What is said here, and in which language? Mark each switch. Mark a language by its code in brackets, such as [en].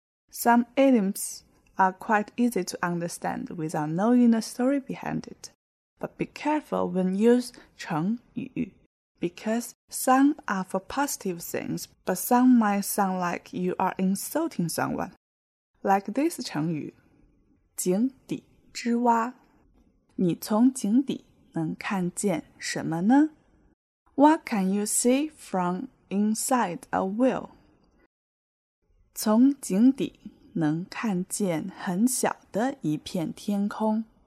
[en] Some idioms are quite easy to understand without knowing the story behind it. But be careful when use 成语, because some are for positive things, but some might sound like you are insulting someone. [zh] Like this 成语, 井底之蛙。你从井底能看见什么呢? [en] What can you see from inside a well? [zh] 从井底能看见很小的一片天空。